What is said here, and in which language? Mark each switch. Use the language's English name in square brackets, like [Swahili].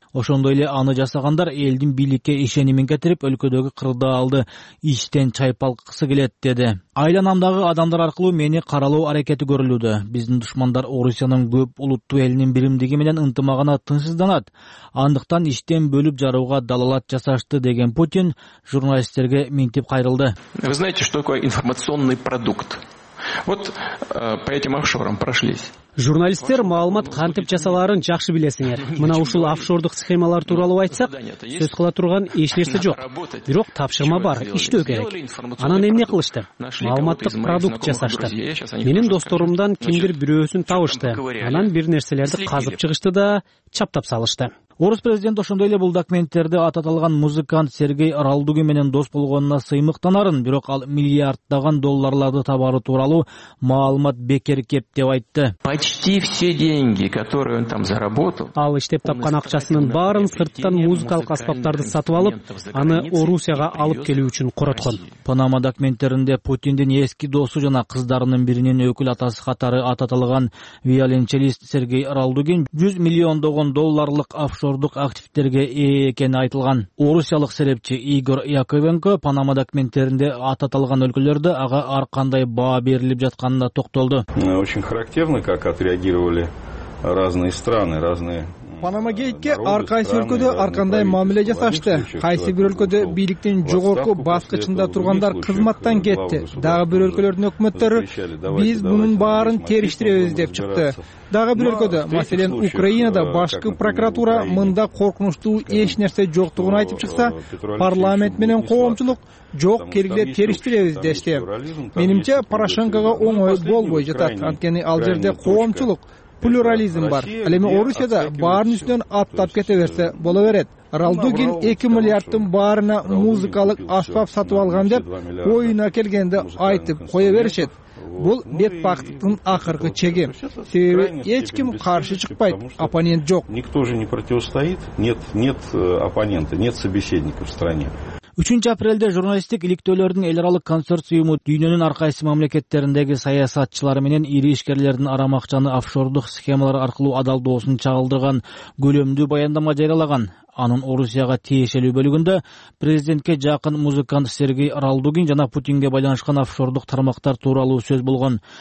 [Kyrgyz] Ошондой эле аны жасагандар элдин бийликке ишенимин кетирип, өлкөдөгү кырдаалды иштен чайпалкысы келет деди. Айланамдагы адамдар аркылуу мени каралоо аракети көрүлүүдө. Биздин душмандар Орусиянын көп улуттуу элинин биримдиги менен ынтымагына тынчсызданат. Андыктан иштен бөлүп жарууга далалат жасашты деген Путин журналисттерге минтип кайрылды. [Russian] Вы знаете, что такое информационный продукт? Вот по этим офшорам прошлись. [Kyrgyz] Журналисттер маалымат кантип жасаларын жакшы билесиңер. Мына ушул офшордук схемалар тууралуу айтсак, сөз кыла турган эч нерсе жок. Бирок тапшырма бар, иштөө керек. Анан эмне кылышты? Маалыматтык продукт жасашты. Менин досторумдан кимдир бирөөсүн табышты. Анан бир нерселерди казып чыгышты да чаптап салышты. Орус президенти ошондой эле бул документтерди ат аталган музыкант Сергей Ралдугин менен дос болгонуна сыймыктанарын, бирок ал миллиарддаган долларларды табары тууралуу маалымат бекер кеп деп айтты. [Russian] Почти все деньги, которые он там заработал. [Kyrgyz] Ал иштеп тапкан акчасынын баарын сырттан музыкалык аспаптарды сатып алып, аны Орусияга алып келүү үчүн короткон. Панама документтеринде Путиндин эски досу жана кыздарынын биринин өкүл атасы катары ат аталган виолончелист Сергей Ралдугин 100 миллиондогон долларлык офшор офшордук активдерге ээ экени айтылган. Орусиялык серепчи Игорь Яковенко Панама документтеринде аталган өлкөлөрдө ага ар кандай баа берилип жатканына токтолду. [Russian] Очень характерно, как отреагировали разные страны, разные [Kyrgyz] Панама гейтке ар кайсы өлкөдө ар кандай мамиле жасашты. Кайсы бир өлкөдө бийликтин жогорку баскычында тургандар кызматтан кетти. Дагы бир өлкөлөрдүн өкмөттөрү биз мунун баарын териштиребиз деп чыкты. Дагы бир өлкөдө, маселен, Украинада башкы прокуратура мында коркунучтуу эч нерсе жоктугун айтып чыкса, парламент менен коомчулук жок келгиле териштиребиз дешти. Менимче Порошенкого оңой болбой жатат, анткени ал жерде коомчулук плюрализм бар. Ал эми Орусияда баарын үстүнөн аттап кете берсе боло берет. Ралдугин 2 миллиарддын баарына музыкалык аспап сатып алган деп оюна келгенде айтып кое беришет. Бул бетбактыктын акыркы чеги. Себеби эч ким каршы чыкпайт, оппонент жок. [Russian] Никто же не противостоит. Нет оппонента, нет собеседника в стране. [Kyrgyz] 3 апрелде журналисттик иликтөөлөрдүн эл аралык консорциуму дүйнөнүн ар кайсы мамлекеттериндеги саясатчылар менен ири ишкерлердин арам акчаны офшордук схемалар аркылуу адалдоосун чагылдырган көлөмдүү баяндама жарыялаган. Анын Орусияга тиешелүү бөлүгүндө президентке жакын музыкант Сергей Ралдугин жана Путинге байланышкан офшордук тармактар тууралуу сөз болгон.